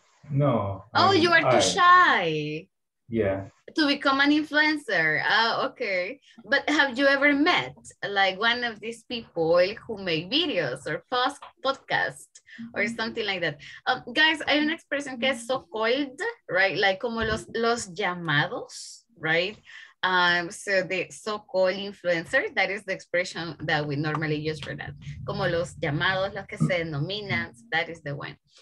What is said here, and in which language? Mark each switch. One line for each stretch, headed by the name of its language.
English: No. Oh, you are too shy. Yeah. To become an influencer. Oh, okay. But have you ever met like one of these people who make videos or podcast or something like that?
Spanish: Guys, hay una expresión que es so-called, right? Like como los llamados, right?
English: So the so-called influencer, that is the expression that we normally use for that.
Spanish: Como los llamados, los que se denominan,
English: that is the one.